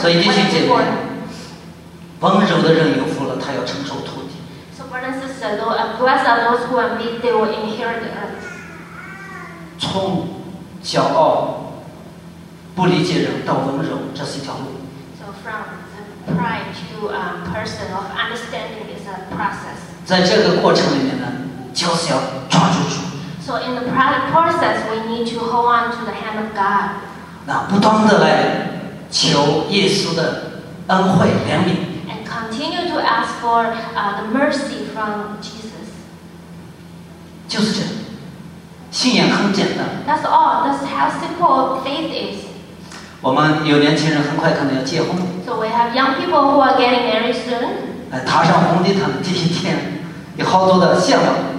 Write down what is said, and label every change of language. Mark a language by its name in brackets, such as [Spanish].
[Chinese] 所以弟兄姐妹，温柔的人有福了，他要承受土地。 [English] So brothers and sisters, blessed are those who are meek; they will inherit the earth. [Chinese] 从骄傲、不理解人到温柔，这是一条路。 [English] So from the pride to person of understanding is a process. [Chinese] 在这个过程里面呢，就是要抓住主。 [English] So in the process, we need to hold on to the hand of God. [Chinese] 那不断的来求耶稣的恩惠怜悯。 [English] And continue to ask for the mercy from Jesus. [Chinese] 就是这样，信仰很简单。 [English] That's all. That's how simple faith is. [Chinese] 我们有年轻人很快可能要结婚。 [English] So we have young people who are getting married soon. [Chinese] 踏上红地毯的第一天，有好多的向往。